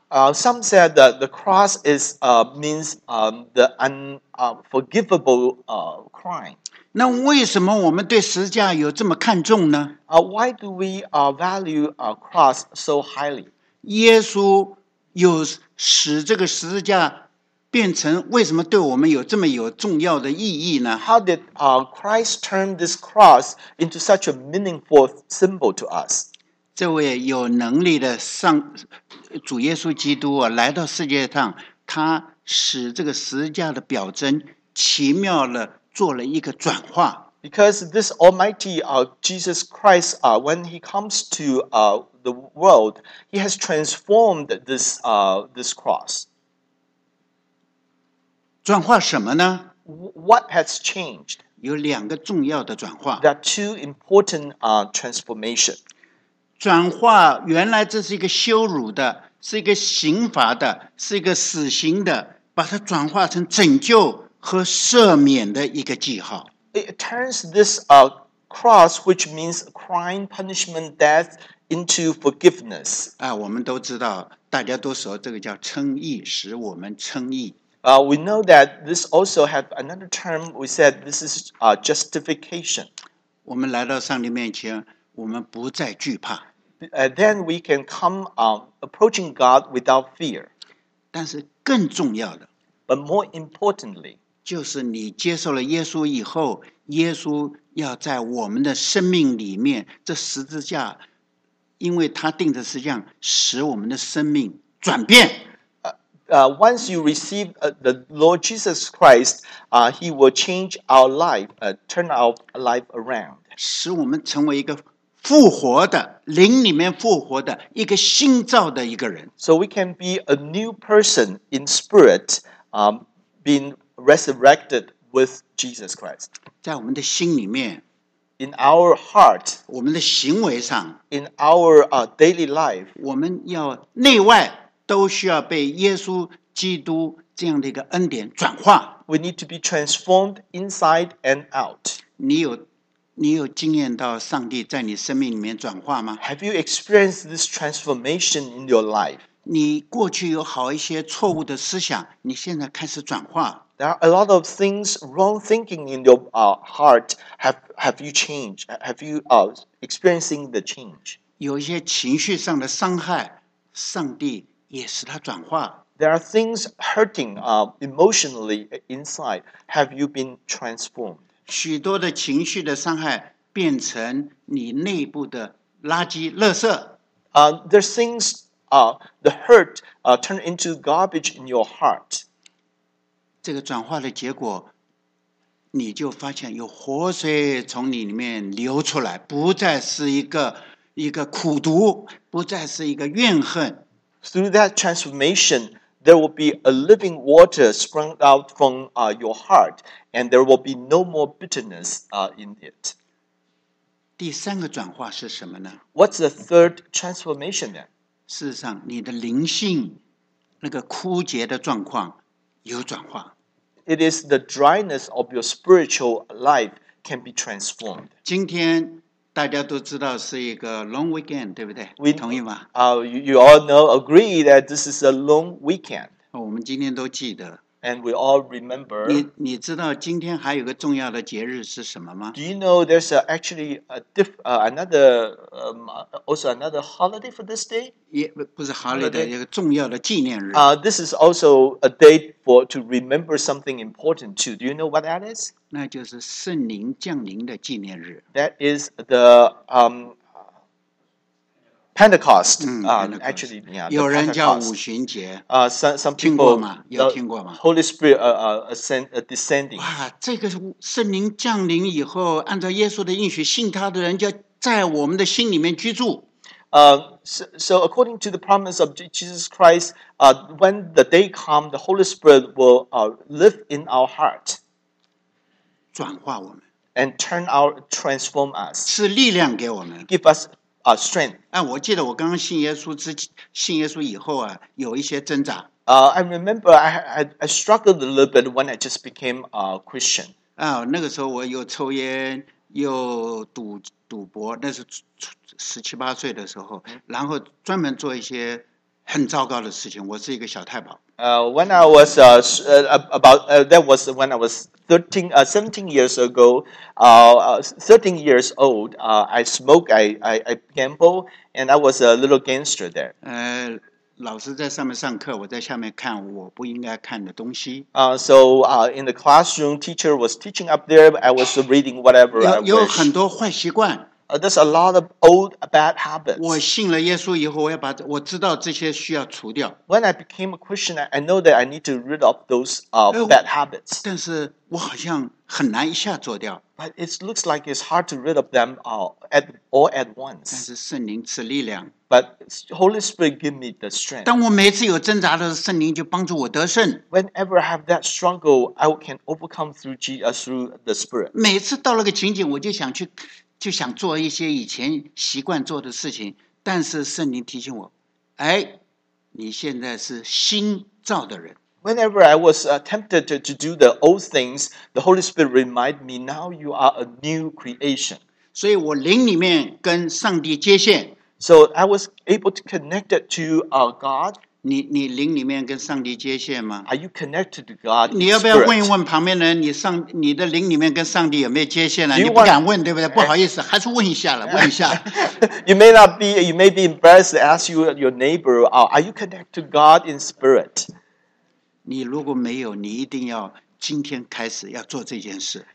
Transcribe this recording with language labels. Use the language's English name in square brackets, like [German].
[English] Some said that the cross is means the unforgivable crime. [Chinese] 那为什么我们对十字架有这么看重呢? [English] Why do we value a cross so highly? [Chinese] 耶稣有使这个十字架 变成为什么对我们有这么有重要的意义呢? [English] How did Christ turn this cross into such a meaningful symbol to us? [Chinese] 这位有能力的主耶稣基督来到世界上，他使这个十字架的表征奇妙地做了一个转化。 [English] Because this Almighty Jesus Christ, when he comes to the world, he has transformed this cross. [Chinese] 转化什么呢? [English] What has changed? [Chinese] 有两个重要的转化。 [English] There are two important transformations. [Chinese] 转化原来这是一个羞辱的，是一个刑罚的，是一个死刑的，把它转化成拯救和赦免的一个记号。 [English] It turns this cross, which means crime, punishment, death, into forgiveness. [Chinese] 啊，我们都知道，大家都说这个叫称义，使我们称义。 [English] We know that this also have another term. We said this is justification. [Chinese] 我们来到上帝面前，我们不再惧怕。 [English] Then we can come approaching God without fear. [Chinese] 但是更重要的 [English] ，But more importantly， [Chinese] 就是你接受了耶稣以后，耶稣要在我们的生命里面，这十字架，因为他钉的十字架，使我们的生命转变。 [English] Once you receive the Lord Jesus Christ, He will change our life, turn our life around. [Chinese] 使我们成为一个复活的灵里面复活的一个新造的一个人。 [English] So we can be a new person in spirit, being resurrected with Jesus Christ. [Chinese] 在我们的心里面 [English] ，in our heart， [Chinese] 我们的行为上 [English] ，in our daily life， [Chinese] 我们要内外。都需要被耶稣基督这样的一个恩典转化。 [English] We need to be transformed inside and out. [Chinese] 你有经验到上帝在你生命里面转化吗 [English] ？Have you experienced this transformation in your life? [Chinese] 你过去有好一些错误的思想，你现在开始转化。 [English] There are a lot of things wrong thinking in your heart. Have you changed? Have you experiencing the change? [Chinese] 有一些情绪上的伤害，上帝。也使他转化。 [English] There are things hurting emotionally inside. Have you been transformed? [Chinese] 许多的情绪的伤害变成你内部的垃圾、垃圾。 [English] There's things the hurt turn into garbage in your heart. [Chinese] 这个转化的结果，你就发现有活水从你里面流出来，不再是一个苦毒，不再是一个怨恨。 [English] Through that transformation, there will be a living water sprung out from your heart, and there will be no more bitterness in it. [Chinese] 第三个转化是什么呢 [English] ？What's the third transformation then? [Chinese] 事实上，你的灵性那个枯竭的状况有转化。 [English] It is the dryness of your spiritual life can be transformed. [Chinese] 今天。大家都知道是一个 long weekend， 对不对？ [English] We, [Chinese] 同意吗？ [English] You all know agree that this is a long weekend。 [Chinese] 我们今天都记得。 [English] And we all remember [Chinese] 你。你知道今天还有个重要的节日是什么吗 [English] ？Do you know there's actually a diff another also another holiday for this day？ [Chinese] 也不是 holiday， 一个重要的纪念日。 [English] This is also a day for to remember something important too. Do you know what that is？ [Chinese] 那就是圣灵降临的纪念日。 [English] That is the Pentecost, Pentecost, actually, yeah. [Chinese] 有人叫五旬节。 [English] Some people [Chinese] 听过吗？有听过吗 [English] ？Holy Spirit, descending. [Chinese] 哇，这个圣灵降临以后，按照耶稣的应许，信他的人就在我们的心里面居住。 [English] So according to the promise of Jesus Christ, when the day comes, the Holy Spirit will live in our heart. [Chinese] 转化我们。 [English] And transform us. [Chinese] 是力量给我们。 [English] Give us. Strength. [Chinese] 我记得我刚刚信耶稣以后啊，有一些挣扎。 [English] I remember I struggled a little bit when I just became a Christian. [Chinese] 那个时候我又抽烟又赌博，那是十七八岁的时候，然后专门做一些很糟糕的事情。我是一个小太保。 [English] When I was that was when I was 17 years ago, 13 years old, I smoke, I gamble, and I was a little gangster there. [Chinese] 老师在上面上课，我在下面看我不应该看的东西。 [English] In the classroom, teacher was teaching up there. I was reading whatever. [Chinese] 有很多坏习惯。 [English] There's a lot of old bad habits. [Chinese] 我信了耶稣以后，我知道这些需要除掉。 [English] When I became a Christian, I know that I need to rid of those bad habits. [Chinese] 但是我好像很难一下做掉。 [English] But it looks like it's hard to rid of them all at once. [Chinese] 但是圣灵赐力量。 [English] But Holy Spirit give me the strength. [Chinese] 当我每次有挣扎的时候，圣灵就帮助我得胜。 [English] Whenever I have that struggle, I can overcome through the Spirit. [Chinese] 每次到了个情景，我就想去。就想做一些以前习惯做的事情，但是圣灵提醒我，哎，你现在是新造的人。 [English] Whenever I was tempted to do the old things, the Holy Spirit reminded me, now you are a new creation. [Chinese] 所以我灵里面跟上帝接线。 [English] So I was able to connect it to our God. [Chinese] 你灵里面跟上帝接线吗？ [English] Are you connected to God? [Chinese] 你要不要问一问旁边的人，你的灵里面跟上帝有没有接线了？ 你不敢问，对不对？不好意思，还是问一下了，问一下。 [English] You may be embarrassed to ask your neighbor, are you connected to God in spirit? [Chinese] 你如果没有，你一定要今天开始要做这件事。